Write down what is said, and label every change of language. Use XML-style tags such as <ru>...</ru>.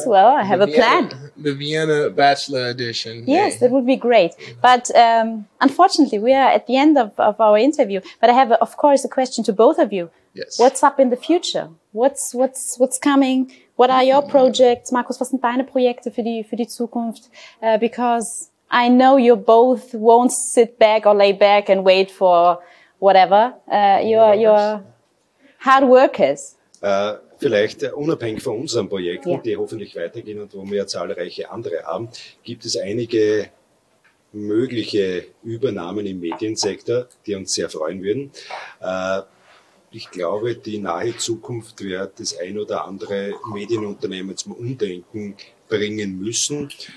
<en>Yeah. Well, I have a plan. The Vienna Bachelor Edition. Yes, that would be great. But unfortunately, we are at the end of our interview. But I have, of course, a question to both of you. Yes. What's up in the future? What's coming? What are your projects, Markus?</en> <de>Was sind deine Projekte für die Zukunft?</de> <en>Because I know you both won't sit back or lay back and wait for whatever. You're hard workers.</en> <de>Vielleicht unabhängig von unseren Projekten, die hoffentlich weitergehen und wo wir ja zahlreiche andere haben, gibt es einige mögliche Übernahmen im Mediensektor, die uns sehr freuen würden. Ich glaube, die nahe Zukunft wird das ein oder andere Medienunternehmen zum Umdenken bringen müssen.</de>